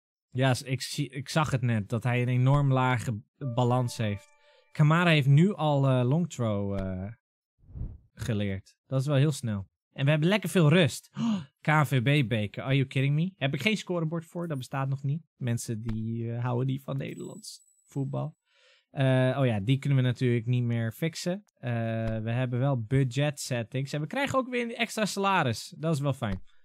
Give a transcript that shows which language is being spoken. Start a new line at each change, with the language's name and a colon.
Dutch: Ja, ik zag het net, dat hij een enorm lage balans heeft. Kamara heeft nu al long throw geleerd. Dat is wel heel snel. En we hebben lekker veel rust.
English: Oh, KNVB-beker, are you kidding me?
Dutch: Heb ik geen scorebord voor, dat bestaat nog niet. Mensen die houden niet van Nederlands voetbal. Oh ja, die kunnen we natuurlijk niet meer fixen. We hebben wel budget settings. En we krijgen ook weer een extra salaris. Dat is wel fijn.